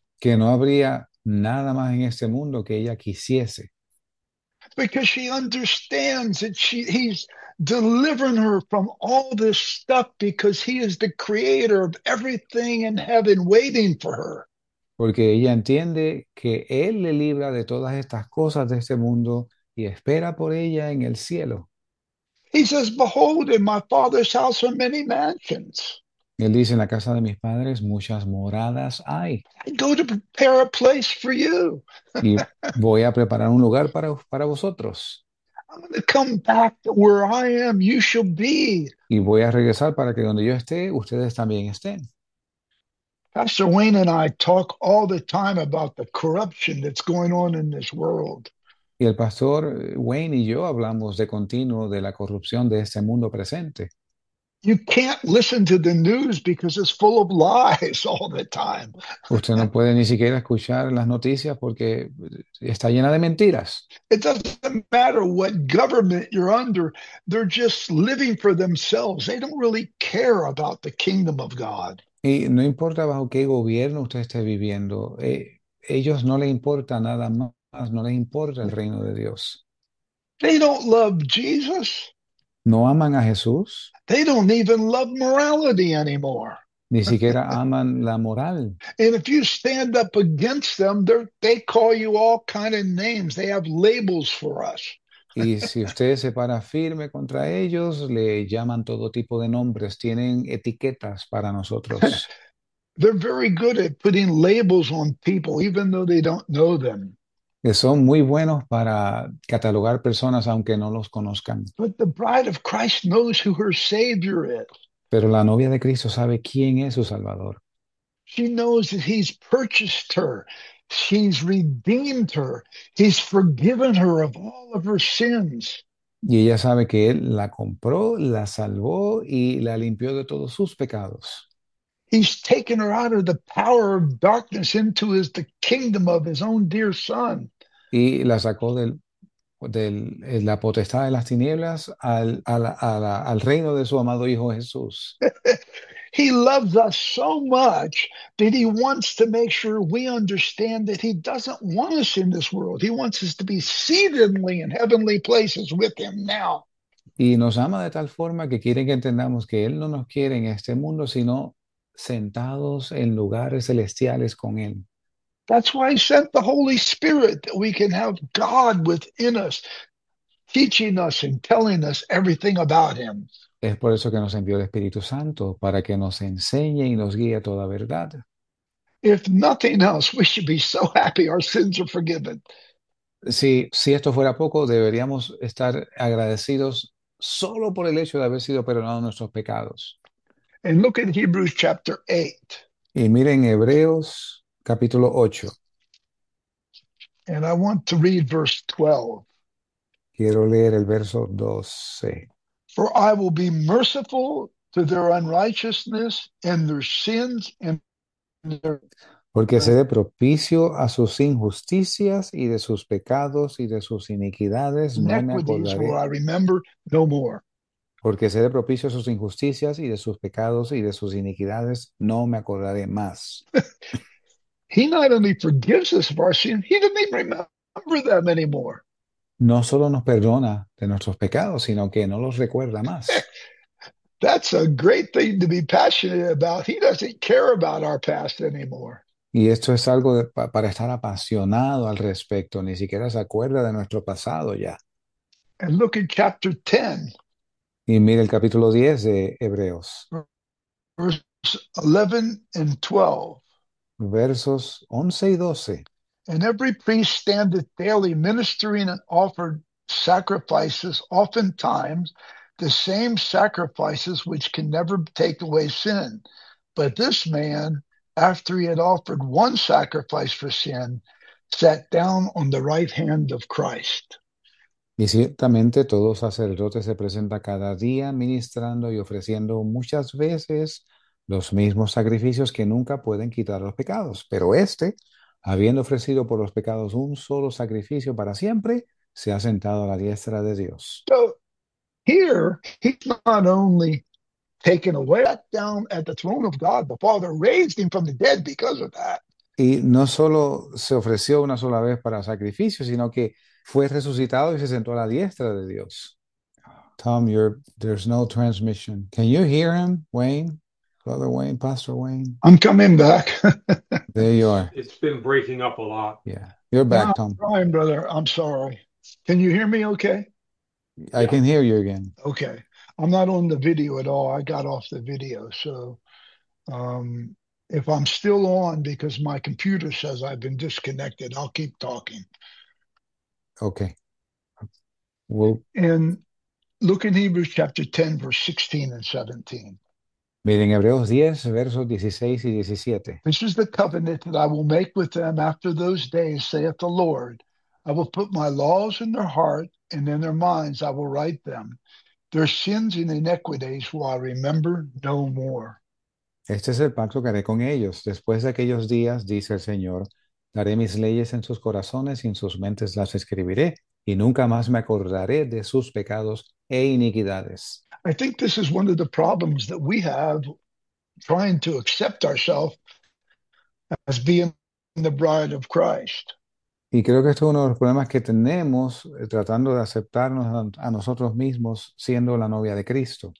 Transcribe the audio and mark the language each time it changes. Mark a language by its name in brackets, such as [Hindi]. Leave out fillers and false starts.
[Spanish] Que no habría nada más en este mundo que ella quisiese. [English] Because she understands that he's delivering her from all this stuff because he is the creator of everything in heaven waiting for her. [Spanish] Porque ella entiende que Él le libra de todas estas cosas de este mundo. Y espera por ella en el cielo. [English] He says, "Behold, in my Father's house are many mansions. [Spanish] Él dice, en la casa de mis padres muchas moradas hay. [English] I go to prepare a place for you." [Spanish] Y voy a preparar un lugar para vosotros. [English] I'm going to come back to where I am. You shall be. [Spanish] Y voy a regresar para que donde yo esté, ustedes también estén. [English] Pastor Wayne and I talk all the time about the corruption that's going on in this world. [Spanish] Y el pastor Wayne y yo hablamos de continuo de la corrupción de este mundo presente. [English] You can't listen to the news because it's full of lies all the time. [Spanish] Usted no puede ni siquiera escuchar las noticias porque está llena de mentiras. [English] It doesn't matter what government you're under, they're just living for themselves. They don't really care about the kingdom of God. [Spanish] Y no importa bajo qué gobierno usted esté viviendo, ellos no le importa nada más. No les importa el reino de Dios. [English] They don't love Jesus. [Spanish] No aman a Jesús. [English] They don't even love morality anymore. [Spanish] Ni siquiera aman la moral. [English] And if you stand up against them, they call you all kind of names. They have labels for us. [Spanish] Y si usted se para firme contra ellos, le llaman todo tipo de nombres. Tienen etiquetas para nosotros. [English] They're very good at putting labels on people, even though they don't know them. [Spanish] Que son muy buenos para catalogar personas aunque no los conozcan. [English] But the bride of Christ knows who her Savior is. [Spanish] Pero la novia de Cristo sabe quién es su Salvador. [English] She knows that he's purchased her. She's redeemed her. He's forgiven her of all of her sins. [Spanish] Y ella sabe que Él la compró, la salvó y la limpió de todos sus pecados. [English] He's taken her out of the power of darkness into the kingdom of his own dear son. [Spanish] Y la sacó del de la potestad de las tinieblas al reino de su amado Hijo Jesús. [English] He loves us so much that he wants to make sure we understand that he doesn't want us in this world. He wants us to be seatedly in heavenly places with him now. [Spanish] Y nos ama de tal forma que quiere que entendamos que Él no nos quiere en este mundo, sino sentados en lugares celestiales con Él. [English] That's why he sent the Holy Spirit, that we can have God within us, teaching us and telling us everything about him. [Spanish] Es por eso que nos envió el Espíritu Santo, para que nos enseñe y nos guíe a toda verdad. [English] If nothing else, we should be so happy our sins are forgiven. [Spanish] Si esto fuera poco, deberíamos estar agradecidos solo por el hecho de haber sido perdonados nuestros pecados. [English] And look at Hebrews chapter 8. [Spanish] Y miren Hebreos capítulo 8. [English] And I want to read verse 12. [Spanish] Quiero leer el verso 12. [English] For I will be merciful to their unrighteousness and their sins and their [Spanish] Porque seré propicio a sus injusticias y de sus pecados y de sus iniquidades no me [English] iniquities will [Spanish] acordaré. [English] I remember no more. [Spanish] Porque seré propicio a sus injusticias y de sus pecados y de sus iniquidades no me acordaré más. [English] He not only forgives us of our sins, he doesn't even remember them anymore. [Spanish] No solo nos perdona de nuestros pecados, sino que no los recuerda más. [English] That's a great thing to be passionate about. He doesn't care about our past anymore. [Spanish] Y esto es algo para estar apasionado al respecto. Ni siquiera se acuerda de nuestro pasado ya. [English] And look at chapter 10, [Spanish] Y mire el capítulo 10 de Hebreos. [English] verse 11 and 12. [Spanish] Versos 11 y 12. [English] And every priest standeth daily ministering and offered sacrifices, oftentimes the same sacrifices which can never take away sin. But this man, after he had offered one sacrifice for sin, sat down on the right hand of Christ. [Spanish] Y ciertamente todo sacerdote se presenta cada día ministrando y ofreciendo muchas veces los mismos sacrificios que nunca pueden quitar los pecados. Pero este, habiendo ofrecido por los pecados un solo sacrificio para siempre, se ha sentado a la diestra de Dios. [English] So here, he's not only taken away, sat down at the throne of God, the Father raised him from the dead because of that. [Spanish] Y no solo se ofreció una sola vez para sacrificio, sino que fue resucitado y se sentó a la diestra de Dios. [English] Tom, there's no transmission. Can you hear him, Wayne? Brother Wayne, Pastor Wayne. I'm coming back. There you are. It's been breaking up a lot. Yeah, you're back, Now Tom. I'm trying, brother. I'm sorry. Can you hear me okay? I Yeah. can hear you again. Okay. I'm not on the video at all. I got off the video. So if I'm still on because my computer says I've been disconnected, I'll keep talking. Okay. Well, And look in Hebrews chapter 10, verse 16 and 17. [Spanish] miren Hebreos 10, versos 16 y 17. [English] This is the covenant that I will make with them after those days, saith the Lord. I will put my laws in their heart and in their minds I will write them. Their sins and iniquities will I remember no more. [Spanish] Este es el pacto que haré con ellos. Después de aquellos días, dice el Señor, daré mis leyes en sus corazones y en sus mentes las escribiré, y nunca más me acordaré de sus pecados e iniquidades. [English] I think this is one of the problems that we have trying to accept ourselves as being the bride of Christ. [Spanish] Y creo que esto es uno de los problemas que tenemos tratando de aceptarnos a nosotros mismos siendo la novia de Cristo.